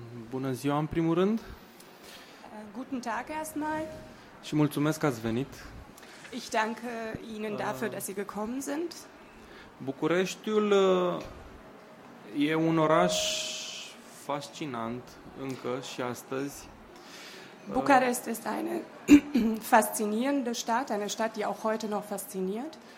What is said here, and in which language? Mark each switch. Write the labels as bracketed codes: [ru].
[ro] Bună ziua, în primul rând. [de] Guten Tag erstmal. [ro] Și mulțumesc că ați venit. [de] Ich danke Ihnen dafür, dass Sie gekommen sind. [ro] Bucureștiul e un oraș fascinant încă și astăzi. [de] Bucarest ist eine faszinierende Stadt, eine Stadt, die auch heute noch fasziniert.